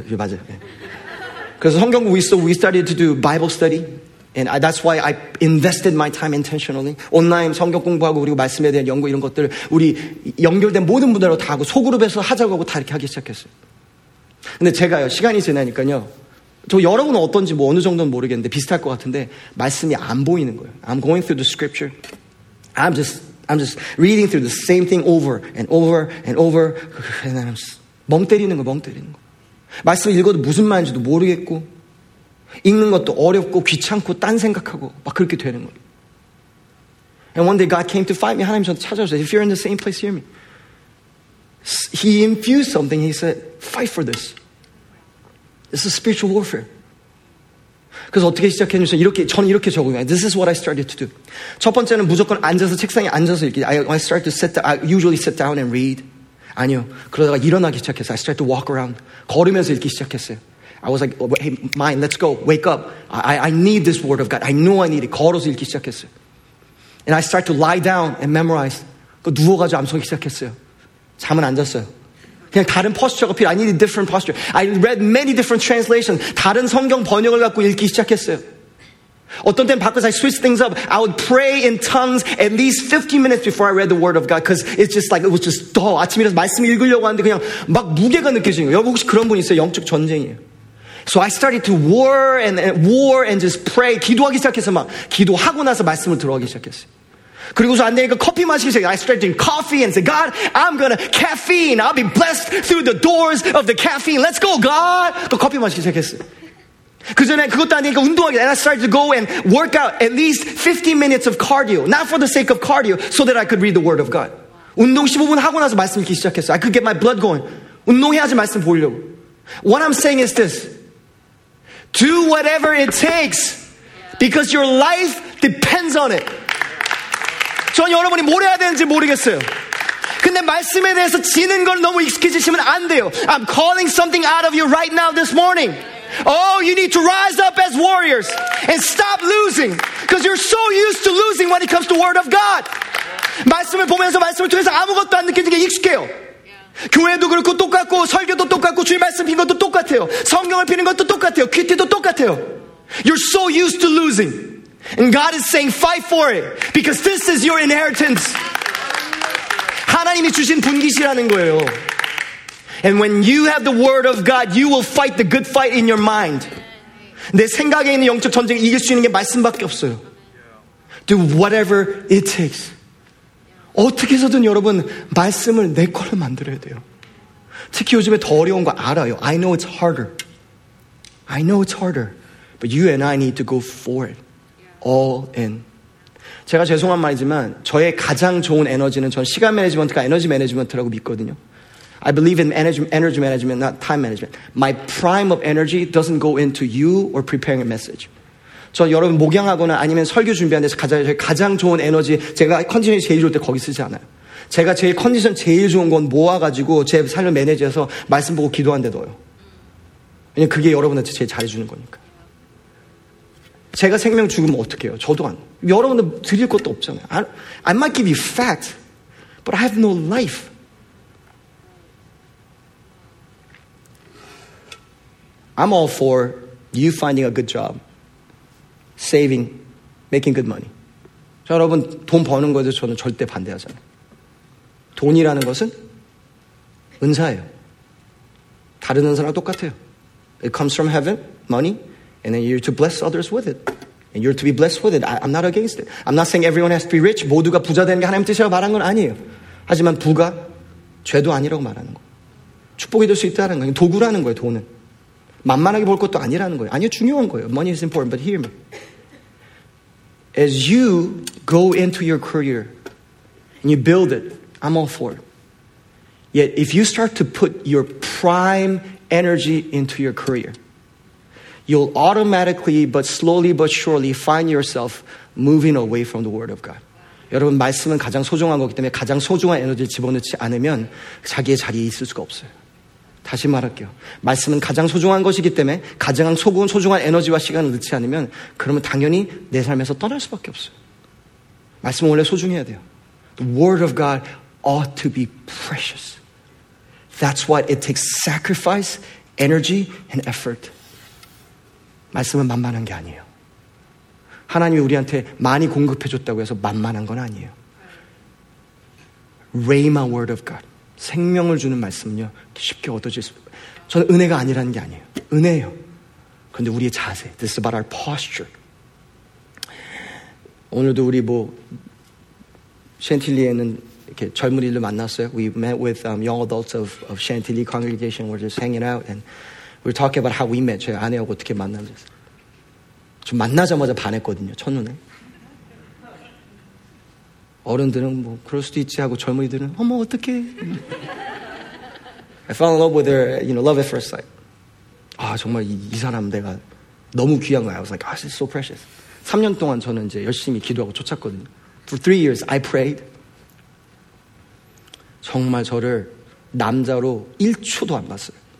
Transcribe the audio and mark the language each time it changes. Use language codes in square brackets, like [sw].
[ko] 맞아요. 그래서 성경 [en] we started to do Bible study and that's why I invested my time intentionally [ko] 온라인 성경 공부하고 그리고 말씀에 대한 연구 이런 것들 우리 연결된 모든 분들하고 다 하고 소그룹에서 하자고 하고 다 이렇게 하기 시작했어요. 근데 제가요 시간이 지나니까요 저 여러분은 어떤지 뭐 어느 정도는 모르겠는데 비슷할 것 같은데 말씀이 안 보이는 거예요. [en] I'm going through the scripture. I'm just reading through the same thing over and over and over. And I'm just [ko] 멍때리는 거, 멍때리는 거. 말씀을 읽어도 무슨 말인지도 모르겠고 읽는 것도 어렵고 귀찮고 딴 생각하고 막 그렇게 되는 거예요. [en] And one day God came to find me. [ko] 하나님 저한테 찾아오셨어요. [en] If you're in the same place, hear me. He infused something. He said, fight for this. This is spiritual warfare. [ko] 그래서 어떻게 시작했냐면 이렇게 저는 이렇게 적어요. [en] This is what I started to do. [ko] 첫 번째는 무조건 앉아서 책상에 앉아서 이렇게 [en] I start to sit down. I usually sit down and read. [ko] 아니요. 그러다가 일어나기 시작했어요. [en] I start to walk around. [ko] 걸으면서 읽기 시작했어요. [en] I was like, hey, mind, let's go. Wake up. I need this word of God. I know I need it. [ko] 걸어서 읽기 시작했어요. [en] And I start to lie down and memorize. [ko] 그 누워가지고 암송하기 시작했어요. 잠은 안 잤어요. 그냥 다른 posture가 필요해. [en] I need a different posture. I read many different translations. [ko] 다른 성경 번역을 갖고 읽기 시작했어요. 어떤 때는 밖에서 [en] I switch things up. I would pray in tongues at least 15 minutes before I read the word of God. Because it's just like, it was just dull. [ko] 아침이라서 말씀 읽으려고 하는데 그냥 막 무게가 느껴지는 거예요. 여러분 혹시 그런 분 있어요? 영적 전쟁이에요. [en] So I started to war and just pray. [ko] 기도하기 시작해서 막 기도하고 나서 말씀을 들어가기 시작했어요. 그리고서 안 되니까 커피 마시기 시작해요. [en] I started drinking coffee and said, God, I'm gonna caffeine. I'll be blessed through the doors of the caffeine. Let's go, God. [ko] 또 커피 마시기 시작했어요. 그 전에 그것도 안 되니까 운동하기 시작했어요. [en] And I started to go and work out at least 15 minutes of cardio. Not for the sake of cardio, so that I could read the word of God. [ko] 운동 15분 하고 나서 말씀 읽기 시작했어요. [en] I could get my blood going. [ko] 운동해야지 말씀 보려고. [en] What I'm saying is this. Do whatever it takes because your life depends on it. [ko] 전 여러분이 뭘 해야 되는지 모르겠어요. 근데 말씀에 대해서 지는 걸 너무 익숙해지시면 안 돼요. [en] I'm calling something out of you right now this morning. Oh, you need to rise up as warriors and stop losing because you're so used to losing when it comes to word of God. [ko] 말씀을 보면서 말씀을 통해서 아무것도 안 느끼는 게 익숙해요. 교회도 그렇고 똑같고 설교도 똑같고 주님 말씀 피는 것도 똑같아요. 성경을 피는 것도 똑같아요. 퀴티도 똑같아요. [en] You're so used to losing. And God is saying fight for it. Because this is your inheritance. [ko] 하나님이 주신 분깃이라는 거예요. [en] And when you have the word of God, you will fight the good fight in your mind. [ko] 내 생각에 있는 영적 전쟁을 이길 수 있는 게 말씀밖에 없어요. [en] Do whatever it takes. [ko] 어떻게 해서든 여러분 말씀을 내 거를 만들어야 돼요. 특히 요즘에 더 어려운 거 알아요. [en] I know it's harder. I know it's harder. But you and I need to go for it. All in. [ko] 제가 죄송한 말이지만 저의 가장 좋은 에너지는 전 시간 매니지먼트가 에너지 매니지먼트라고 믿거든요. [en] I believe in energy management, not time management. My prime of energy doesn't go into you or preparing a message. [ko] 저 여러분 목양하거나 아니면 설교 준비하는 데서 가장, 가장 좋은 에너지 제가 컨디션이 제일 좋을 때 거기 쓰지 않아요. 제가 제일 컨디션 제일 좋은 건 모아가지고 제 삶을 매니지해서 말씀 보고 기도한 데 넣어요. 왜냐면 그게 여러분한테 제일 잘해주는 거니까. 제가 생명 죽으면 어떡해요? 저도 안. 여러분들 드릴 것도 없잖아요. [en] I might give you fact, but I have no life. 'm all for you finding a good job. Saving, making good money. [ko] 자, 여러분 돈 버는 것에 저는 절대 반대하지 않아요. 돈이라는 것은 은사예요. 다른 은사랑 똑같아요. [en] It comes from heaven, money, and then you're to bless others with it. And you're to be blessed with it. I'm not against it. I'm not saying everyone has to be rich. [ko] 모두가 부자 되는 게 하나님 뜻이라고 말한 건 아니에요. 하지만 부가 죄도 아니라고 말하는 거. 축복이 될 수 있다는 거. 도구라는 거예요, 돈은. 만만하게 볼 것도 아니라는 거예요. 아니요, 중요한 거예요. [en] Money is important, but hear me. As you go into your career and you build it, I'm all for it. Yet if you start to put your prime energy into your career, you'll automatically, but slowly but surely, find yourself moving away from the word of God. [ko] 여러분, 말씀은 가장 소중한 거기 때문에 가장 소중한 에너지를 집어넣지 않으면 자기의 자리에 있을 수가 없어요. 다시 말할게요. 말씀은 가장 소중한 것이기 때문에 가장 소중한 에너지와 시간을 넣지 않으면 그러면 당연히 내 삶에서 떠날 수밖에 없어요. 말씀은 원래 소중해야 돼요. [en] The word of God ought to be precious. That's why it takes sacrifice, energy, and effort. [ko] 말씀은 만만한 게 아니에요. 하나님이 우리한테 많이 공급해줬다고 해서 만만한 건 아니에요. [en] Rhema word of God. [ko] 생명을 주는 말씀은요 쉽게 얻어질 수 저는 은혜가 아니라는 게 아니에요. 은혜예요. 그런데 우리의 자세, [en] this is about our posture. [ko] 오늘도 우리 뭐 샨틸리에는 이렇게 젊은이들 만났어요. [en] We met with young adults of Chantilly congregation. We're just hanging out and we're talking about how we met. [ko] 저희 아내하고 어떻게 만났어요. 좀 만나자마자 반했거든요. 첫눈에. 어른들은 뭐 그럴 수도 있지 하고 젊은이들은 어머 어떡해. [en] I fell in love with her, you know, love at first sight. [ko] 아 정말 이 사람 내가 너무 귀한 거야. [en] I was like, oh, this is so precious. [ko] 3년 동안 저는 이제 열심히 기도하고 쫓았거든요. [en] For 3 years, I prayed. [ko] 정말 저를 남자로 1초도 안 봤어요.